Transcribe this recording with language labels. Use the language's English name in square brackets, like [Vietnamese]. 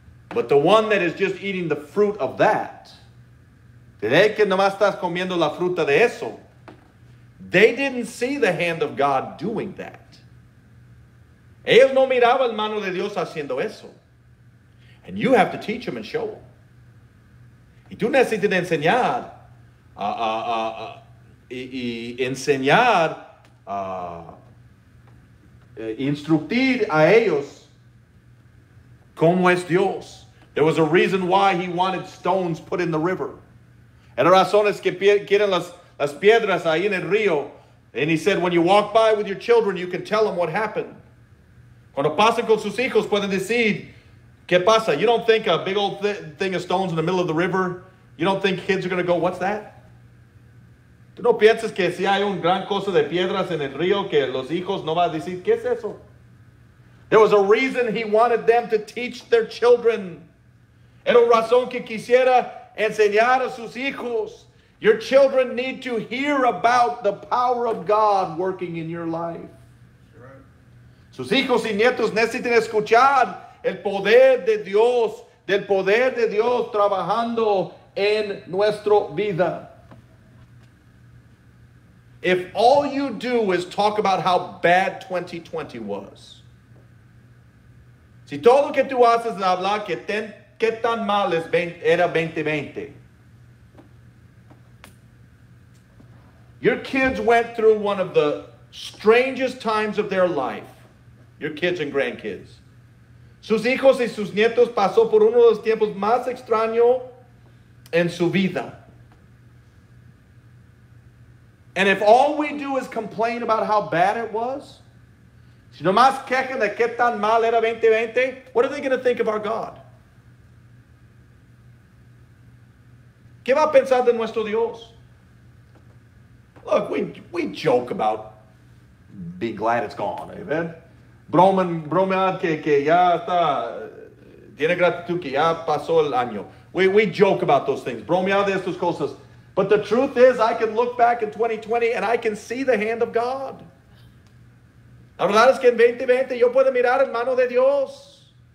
[English] But the one that is just eating the fruit of that, [Spanish] de que nomás estás comiendo la fruta de eso, [English] they didn't see the hand of God doing that. [Spanish] Ellos no miraban la mano de Dios haciendo eso. [English] And you have to teach them and show them. [Spanish] Y tú necesitas enseñar instruir a ellos cómo es Dios. [English] There was a reason why he wanted stones put in the river. [Spanish] Era razones que quieren las piedras ahí en el río. [English] And he said, when you walk by with your children, you can tell them what happened. [Spanish] Cuando pasan con sus hijos, pueden decir, ¿qué pasa? [English] You don't think a big old thing of stones in the middle of the river, you don't think kids are going to go, what's that? [Spanish] ¿Tú no piensas que si hay un gran cosa de piedras en el río que los hijos no van a decir, ¿qué es eso? [English] There was a reason he wanted them to teach their children. [Spanish] Era razón que quisiera enseñar a sus hijos. [English] Your children need to hear about the power of God working in your life. Right. [Spanish] Sus hijos y nietos necesitan escuchar el poder de Dios trabajando en nuestra vida. [English] If all you do is talk about how bad 2020 was, [Spanish] si todo lo que tú haces es hablar que qué tan mal es era 2020, [English] your kids went through one of the strangest times of their life. Your kids and grandkids. [Spanish] Sus hijos y sus nietos pasó por uno de los tiempos más extraños en su vida. [English] And if all we do is complain about how bad it was, [Spanish] si nomás quejan de qué tan mal era 2020, [English] what are they going to think of our God? [Spanish] ¿Qué va a pensar de nuestro Dios? [English] Look, we joke about being glad it's gone, amen? [Spanish] Bromear que ya está, tiene gratitud que ya pasó el año. [English] We joke about those things. [Spanish] Bromear de estas cosas. [English] But the truth is, I can look back in 2020 and I can see the hand of God. [Spanish] La verdad es que en 2020 yo puedo mirar en mano de Dios.